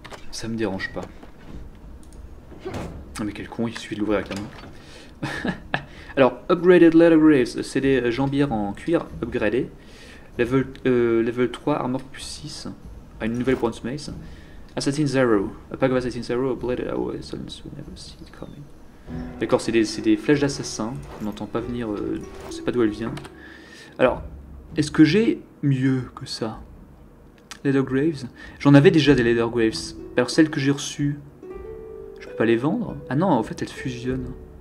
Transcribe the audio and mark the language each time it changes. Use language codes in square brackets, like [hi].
[fr] Ça me dérange pas. Ah mais quel con, il suffit de l'ouvrir avec la main. Alors, [en] upgraded leather grades, [fr] c'est des jambières en cuir, upgradées. [en] Level 3, armor plus 6, [fr] à une nouvelle [en] bronze mace. Assassin Zero, a pack of Assassin Zero, upgraded our assassins will never see it coming. [fr] D'accord, c'est des flèches d'assassin, on n'entend pas venir, on sait pas d'où elle vient. Alors, est-ce que j'ai mieux que ça? Leather Graves? J'en avais déjà des Leather Graves. Alors celles que j'ai reçues, je peux pas les vendre? Ah non, en fait elles fusionnent.